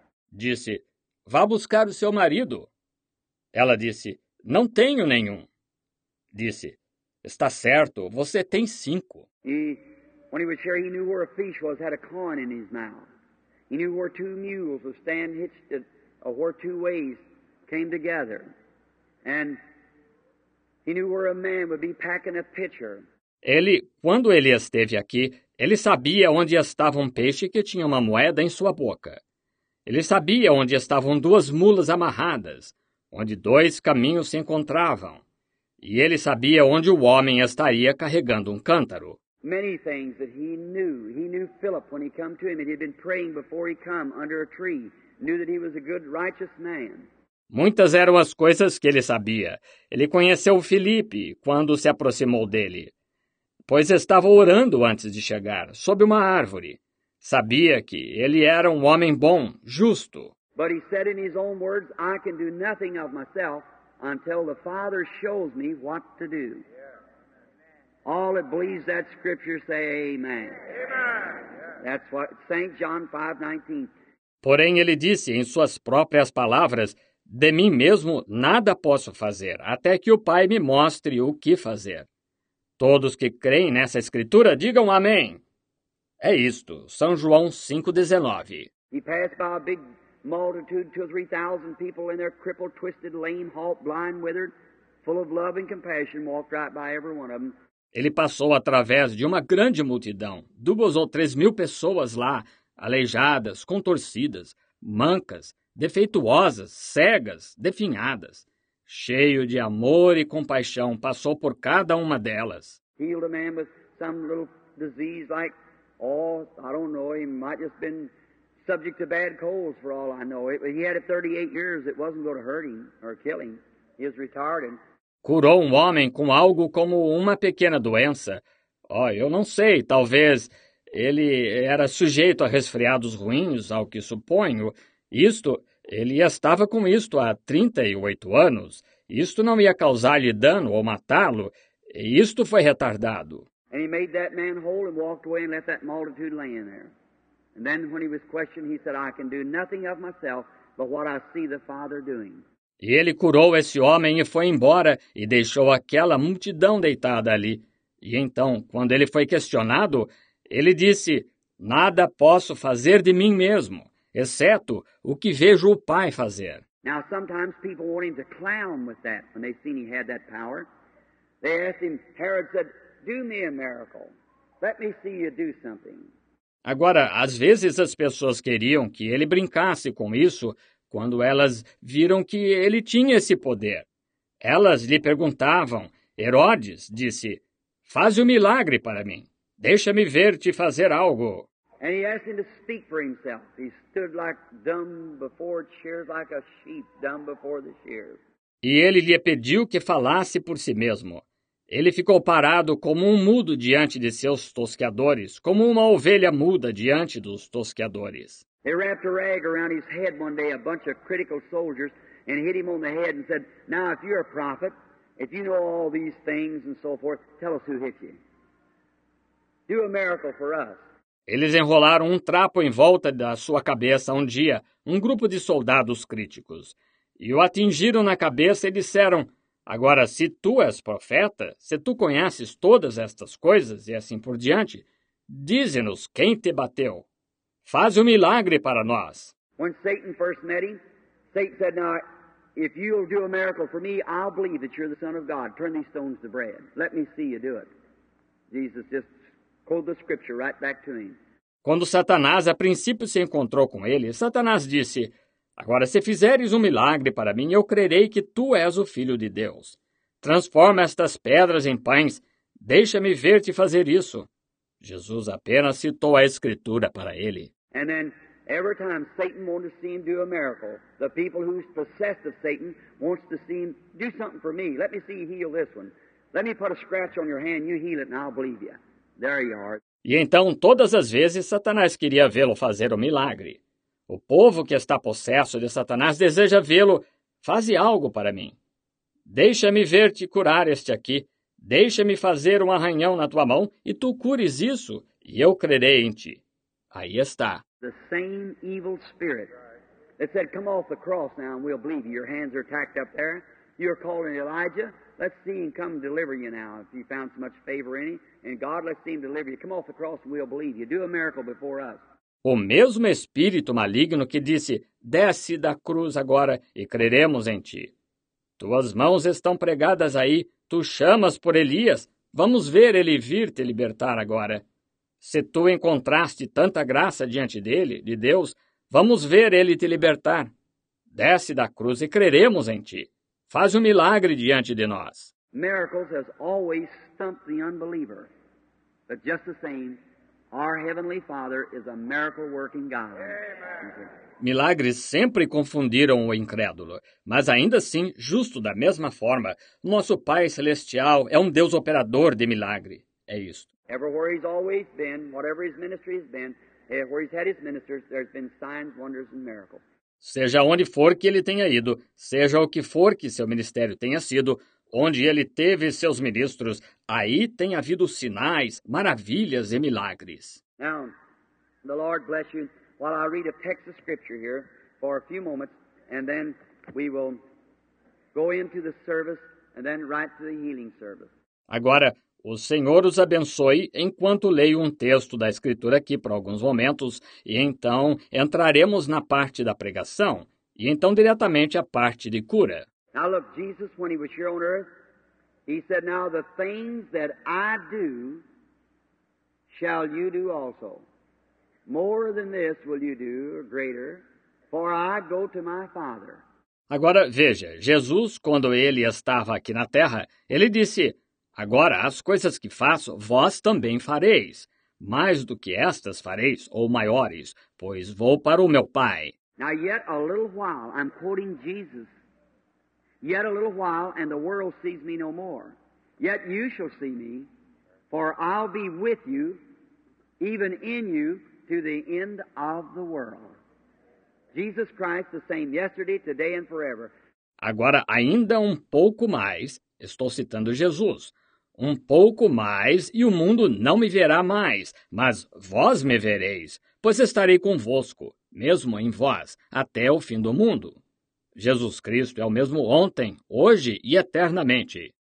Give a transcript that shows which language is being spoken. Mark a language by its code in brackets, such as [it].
[pt] Disse, "Vá buscar o seu marido." Ela disse, "Não tenho nenhum." Disse, "Está certo, você tem 5." [en] He, when he was here, he knew where a fish was, had a coin in his mouth. He knew where 2 mules would stand hitched, where 2 ways came together. And he knew where a man would be packing a pitcher. [pt] Ele, quando ele esteve aqui, ele sabia onde estava um peixe que tinha uma moeda em sua boca. Ele sabia onde estavam 2 mulas amarradas, onde 2 caminhos se encontravam. E ele sabia onde o homem estaria carregando um cântaro. [en] Many things that he knew. He knew Philip when he came to him, and he had been praying before he came under a tree. Knew that he was a good, righteous man. [pt] Muitas eram as coisas que ele sabia. Ele conheceu Filipe quando se aproximou dele, pois estava orando antes de chegar, sob uma árvore. Sabia que ele era um homem bom, justo. [en] But he said in his own words, "I can do nothing of myself until the Father shows me what to do." All that believes that scripture say amen. Amen. That's what St. John 5:19. [pt] Porém, ele disse em suas próprias palavras, "De mim mesmo nada posso fazer, até que o Pai me mostre o que fazer." Todos que creem nessa escritura digam amém. É isto, São João 5:19. [en] He passed by a big multitude, 2,000 or 3,000 people in there, crippled, twisted, lame, halt, blind, withered, full of love and compassion, walked right by every one of them. [pt] Ele passou através de uma grande multidão, 2,000 or 3,000 pessoas lá, aleijadas, contorcidas, mancas, defeituosas, cegas, definhadas. Cheio de amor e compaixão, passou por cada uma delas. [en] Healed a man with some little disease like, oh, I don't know, he might just been subject to bad colds for all I know. He had it 38 years, it wasn't going to hurt him or kill him. He was retarded. [pt] Curou um homem com algo como uma pequena doença. Oh, eu não sei, talvez ele era sujeito a resfriados ruins, ao que suponho. Isto, ele estava com isto há 38 anos. Isto não ia causar-lhe dano ou matá-lo. Isto foi retardado. [en] And he made that man whole and walked away and left that multitude laying there. And then when he was questioned, he said, "I can do nothing of myself but what I see the Father doing." [pt] E ele curou esse homem e foi embora e deixou aquela multidão deitada ali. E então, quando ele foi questionado, ele disse, Nada posso fazer de mim mesmo, exceto o que vejo o Pai fazer. [en] Now, sometimes people want him to clown with that when they seen he had that power. They asked him, Herod said, do me a miracle. Let me see you do something. [pt] Agora, às vezes as pessoas queriam que ele brincasse com isso quando elas viram que ele tinha esse poder. Elas lhe perguntavam, Herodes disse, faz um milagre para mim. Deixa-me ver te fazer algo. [en] And he asked him to speak for himself. He stood like dumb before shears, like a sheep dumb before the shears. [pt] E ele lhe pediu que falasse por si mesmo. Ele ficou parado como um mudo diante de seus tosqueadores, como uma ovelha muda diante dos tosqueadores. [en] They wrapped a rag around his head one day, a bunch of critical soldiers, and hit him on the head and said, now if you're a prophet, if you know all these things and so forth, tell us who hit you. Do a miracle for us. [pt] Eles enrolaram um trapo em volta da sua cabeça um dia, um grupo de soldados críticos, e o atingiram na cabeça e disseram, agora, se tu és profeta, se tu conheces todas estas coisas e assim por diante, dize-nos quem te bateu. Faz um milagre para nós. [en] When Satan first met him, Satan said, now, if you'll do a miracle for me, I'll believe that you're the Son of God. Turn these stones to bread. Let me see you do it. Jesus just quoted the scripture right back to him. [pt] Quando Satanás a princípio se encontrou com ele, Satanás disse, agora, se fizeres um milagre para mim, eu crerei que tu és o Filho de Deus. Transforma estas pedras em pães. Deixa-me ver te fazer isso. Jesus apenas citou a Escritura para ele. [en] E then, every time Satan wants to see him do a miracle, the people who's possessed of Satan wants to see him do something for me. Let me see you heal this one. Let me put a scratch on your hand, you heal it, and I'll believe you. There you are. [pt] E então, todas as vezes, Satanás queria vê-lo fazer o milagre. O povo que está possesso de Satanás deseja vê-lo. Faze algo para mim. Deixa-me ver-te curar este aqui. Deixa-me fazer um arranhão na tua mão e tu cures isso e eu crerei em ti. Aí está. [en] The same evil spirit that said, come off the cross now and we'll believe you. Your hands are tacked up there. You're calling Elijah. Let's see him come deliver you now if you found so much favor in him. And God, let's see him deliver you. Come off the cross and we'll believe you. Do a miracle before us. [pt] O mesmo espírito maligno que disse, desce da cruz agora e creremos em ti. Tuas mãos estão pregadas aí, tu chamas por Elias, vamos ver ele vir te libertar agora. Se tu encontraste tanta graça diante dele, de Deus, vamos ver ele te libertar. Desce da cruz e creremos em ti. Faz um milagre diante de nós. [en] Miracles has always stumped the unbeliever, but just the same. Our Heavenly Father is a miracle-working God. [pt] Milagres sempre confundiram o incrédulo, mas ainda assim, justo da mesma forma, nosso Pai Celestial é um Deus operador de milagre. É isto. [en] Everywhere he's always been, whatever his ministry has been, where he's had his ministers, there's been signs, wonders, and miracles. [pt] Seja onde for que ele tenha ido, seja o que for que seu ministério tenha sido, onde ele teve seus ministros, aí tem havido sinais, maravilhas e milagres. [en] Now, the Lord bless you. While I read a text of scripture here for a few moments, and then we will go into the service and then right to the healing service. [pt] Agora, o Senhor os abençoe enquanto leio um texto da Escritura aqui por alguns momentos, e então entraremos na parte da pregação, e então diretamente a parte de cura. [en] Now look, Jesus, when he was here on earth, he said, now the things that I do, shall you do also. More than this will you do, or greater, for I go to my Father. [pt] Agora veja, Jesus, quando ele estava aqui na terra, ele disse, agora as coisas que faço, vós também fareis. Mais do que estas fareis, ou maiores, pois vou para o meu Pai. [en] Now yet a little while, I'm quoting Jesus. Yet a little while, and the world sees me no more. Yet you shall see me, for I'll be with you, even in you, to the end of the world. Jesus Christ, the same yesterday, today, and forever. [pt] Agora, ainda um pouco mais, estou citando Jesus, um pouco mais, e o mundo não me verá mais, mas vós me vereis, pois estarei convosco, mesmo em vós, até o fim do mundo. Jesus Cristo é o mesmo ontem, hoje e eternamente.